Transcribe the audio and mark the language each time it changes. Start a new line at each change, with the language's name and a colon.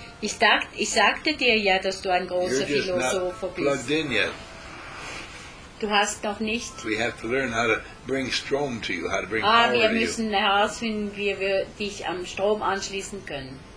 German: Ich sagte dir ja, dass du ein großer Philosoph bist.
English: You're just not plugged in yet.
German: Du hast noch nicht.
English: We have to learn how to bring Strom to you, how to bring power to you.
German: Wir müssen herausfinden, wie wir dich am Strom anschließen können.